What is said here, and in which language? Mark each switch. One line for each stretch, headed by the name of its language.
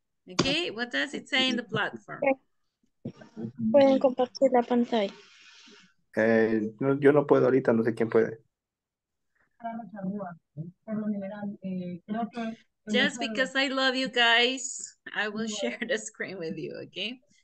English: Okay, what does it say in the platform?
Spanish: Pueden compartir la pantalla. No, yo no puedo ahorita, no sé quién puede.
English: Just because I love you guys, I will share the screen with you, okay?